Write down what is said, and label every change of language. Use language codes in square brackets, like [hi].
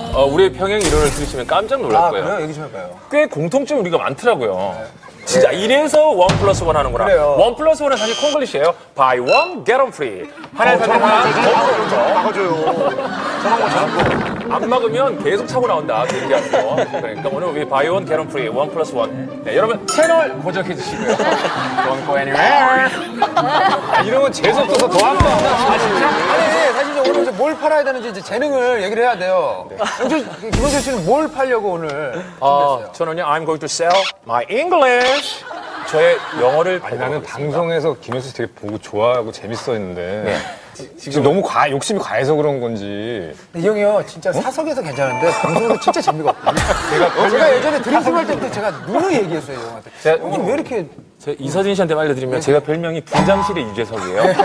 [ko] 우리의 평행 이론을 들으시면 깜짝 놀랄 거예요. 아, 그래요? 얘기 좀 할까요? 꽤 공통점이 우리가 많더라고요. 네. 진짜 네. 이래서 원 플러스 원 하는 거라. 그래요. 원 플러스 원은 사실 콩글리시예요. [en] Buy one, get one free. [ko] 하나에 사면 하나. 막아줘요. 저런 거 저런 거. 안 막으면 계속 차고 나온다. 그러니까 오늘 우리 [en] Buy one, get one free. [ko] 원 플러스 원. 네, 여러분 채널 고정해 주시고요. [en] Don't go anywhere. [ko] 이런 건 재수 없어서 더 안 봐. 아, 진짜? 오늘 뭘 팔아야 되는지 이제 재능을 얘기를 해야 돼요. 네. 김원준 씨는 뭘 팔려고 오늘 준비했어요? 저는요, [en] I'm going to sell my English. [ko] 저의 영어를 아니 나는 방송에서 있습니다. 김현수 씨 되게 보고 좋아하고 재밌어 했는데 네. 지금 너무 욕심이 과해서 그런 건지. 이 형이요 진짜 사석에서 괜찮은데 방송에서 진짜 재미가 없다. 제가 예전에 드림팀 할 때부터 제가 누누 얘기했어요 형한테. 제가, 형님 왜 이렇게 제가 이서진 씨한테 알려드리면 네. 제가 별명이 분장실의 유재석이에요.